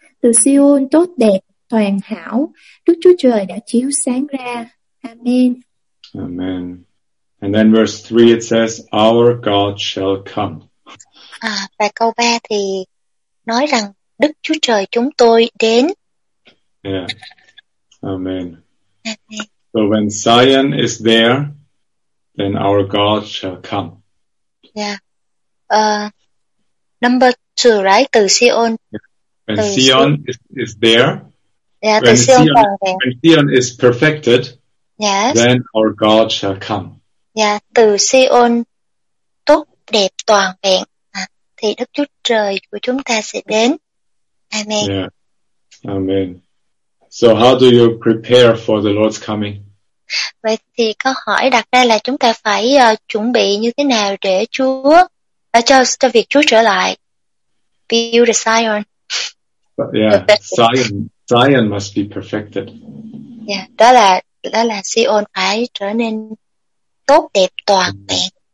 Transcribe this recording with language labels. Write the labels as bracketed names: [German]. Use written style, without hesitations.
[Vietnamese] Từ Si-ôn tốt đẹp, toàn hảo, Đức Chúa Trời đã chiếu sáng ra. [English] Amen. Amen. And then verse 3 it says, our God shall come. [Vietnamese] Và câu 3 thì nói rằng Đức Chúa Trời chúng tôi đến. [English] Yeah. Amen. Amen. So when Zion is there, then our God shall come. Yeah. Number two, right? [Vietnamese] Từ Si-ôn. [English] When Si-ôn is there, yeah, when Si-ôn is perfected, yes, then our God shall come. [Vietnamese] Yeah, từ Si-ôn tốt đẹp toàn vẹn, thì Đức Chúa Trời của chúng ta sẽ đến. [English] Amen. Yeah. Amen. So how do you prepare for the Lord's coming? [Vietnamese] Vậy thì câu hỏi đặt ra là chúng ta phải chuẩn bị như thế nào để Chúa cho việc Chúa trở lại. [English] Build the Zion. Zion must be perfected. [Vietnamese] Yeah, đó là Si-ôn phải trở nên tốt đẹp toàn vẹn.